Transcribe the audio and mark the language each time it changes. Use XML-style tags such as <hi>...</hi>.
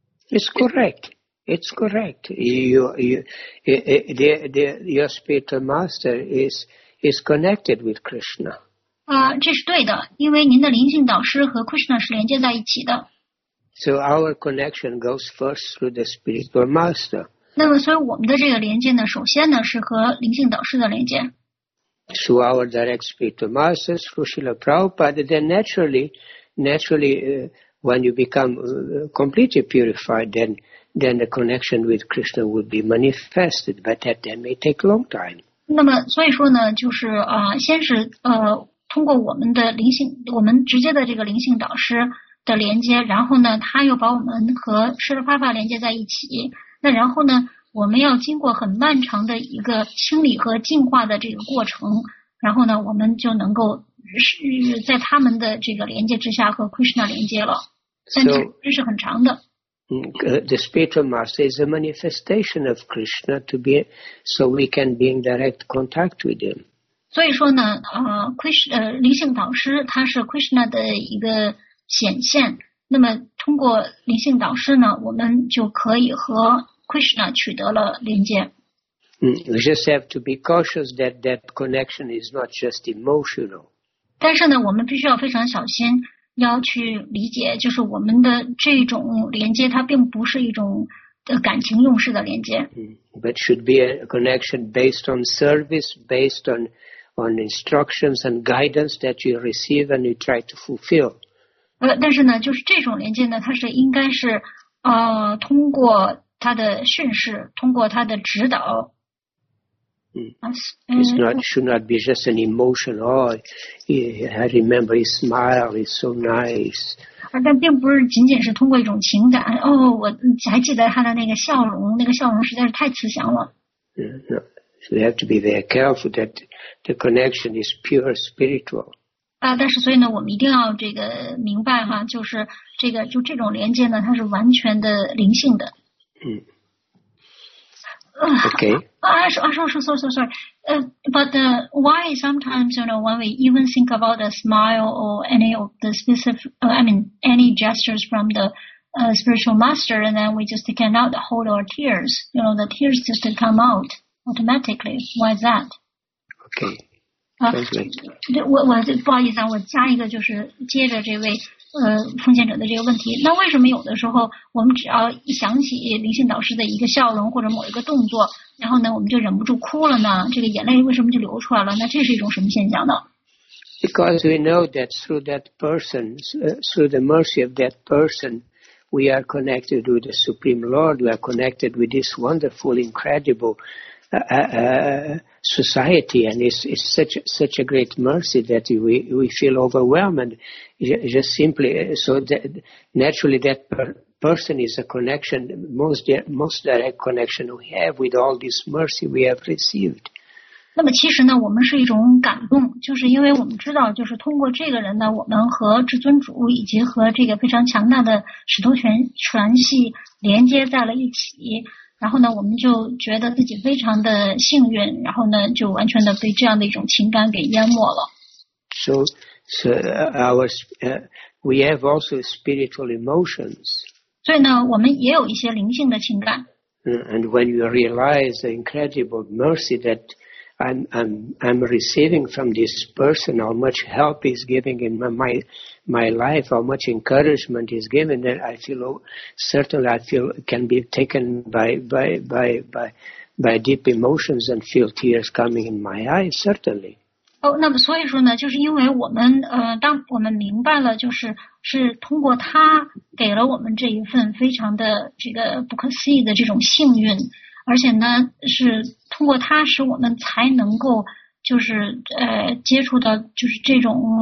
<en>It's correct. It's correct. Your spiritual master is connected with Krishna.</en> <zh>这是对的，因为您的灵性导师和 Krishna 是连接在一起的。</zh> <en>So our connection goes first through the spiritual master.</en> <zh>那么，所以我们的这个连接呢，首先呢是和灵性导师的连接。</zh> <en>Through our direct spiritual master, through Srila Prabhupada, then naturally, when you become completely purified, then the connection with Krishna would be manifested, but that may take a long time.</en> <zh>那么，所以说呢，就是先是通过我们的灵性，我们直接的这个灵性导师的连接，然后呢，他又把我们和释迦牟尼佛连接在一起。那然后呢，我们要经过很漫长的一个清理和净化的这个过程，然后呢，我们就能够是在他们的这个连接之下和 Krishna 连接了。但这是很长的。</zh> <en>The spiritual master is a manifestation of Krishna to be, so we can be in direct contact with him.</en> <zh>所以说呢，灵性导师他是 Krishna 的一个显现，那么通过灵性导师呢，我们就可以和 Krishna 取得了连接。</zh> <en>We just have to be cautious that connection is not just emotional.</en> <zh>但是呢，我们必须要非常小心，要去理解，就是我们的这种连接，它并不是一种感情用事的连接。</zh> <en>But should be a connection based on service, based on instructions and guidance that you receive and you try to fulfill.</en> <zh>但是呢，就是这种连接呢，它是应该是通过他的训示，通过他的指导。</zh> <en>It's not, should not be just an emotion. Oh, I remember his smile is so nice.</en> <zh>但并不是仅仅是通过一种情感。哦，我还记得他的那个笑容，那个笑容实在是太慈祥了。</zh> <en>We have to be very careful that the connection is pure spiritual.</en> <zh>但是所以呢，我们一定要这个明白哈，就是这个就这种连接呢，它是完全的灵性的。</zh> <en>Okay. But why sometimes, you know, when we even think about a smile or any of the any gestures from the spiritual master, and then we just cannot hold our tears, you know, the tears just come out automatically. Why is that? Okay. Sorry.</en> <zh>奉献者的这个问题，那为什么有的时候我们只要一想起灵性导师的一个笑容或者某一个动作，然后呢我们就忍不住哭了呢？这个眼泪为什么就流出来了？那这是一种什么现象呢？</zh> <en>Because we know that through that person, through the mercy of that person, we are connected with the Supreme Lord. We are connected with this wonderful, incredible society, and it's such a great mercy that we feel overwhelmed. Just simply, so that naturally that person is a connection, most direct connection we have with all this mercy we have received.</en> <zh>那么其实呢，我们是一种感动，就是因为我们知道，就是通过这个人呢，我们和至尊主以及和这个非常强大的使徒全系连接在了一起。然后呢，我们就觉得自己非常的幸运，然后呢，就完全的被这样的一种情感给淹没了。</zh> <en>So we have also spiritual emotions.</en> <zh>所以呢，我们也有一些灵性的情感。</zh> <en>And when you realize the incredible mercy that I'm receiving from this person, how much help he's giving in my life, how much encouragement he's given, that I feel, certainly I feel, can be taken by deep emotions and feel tears coming in my eyes, certainly.</en> <zh>那么所以说呢，就是因为我们当我们明白了，就是是通过他给了我们这一份非常的这个不可思议的这种幸运，而且呢是通过他使我们才能够就是接触到就是这种</zh>